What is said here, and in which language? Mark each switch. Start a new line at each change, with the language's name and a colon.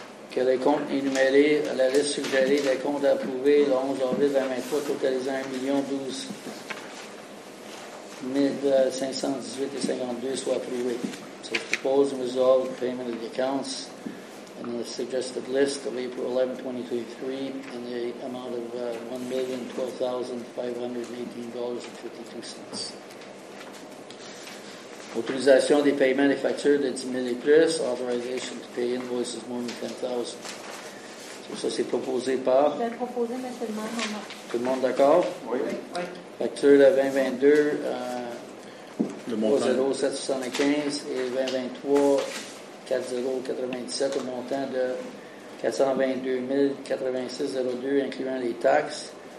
French: Que les comptes énumérés à la liste suggérée des comptes approuvés le 11 avril 2023 totalisant 1 012 518,52 soient approuvés.
English: So, propose resolve payment of the accounts. And the suggested list of April 11, 2023, and the amount of $1,012,518.52.
French: Autorisation des paiements des factures de 10 000 et plus.
English: Authorization to pay invoices more than 10,000. So,
French: ça, c'est proposé par? Je vais proposer, mais c'est le même moment. Tout le monde d'accord? Oui. Facture de 2022, 0,775 et 2023, 4,097 au montant de 422,086,02 incluant les taxes.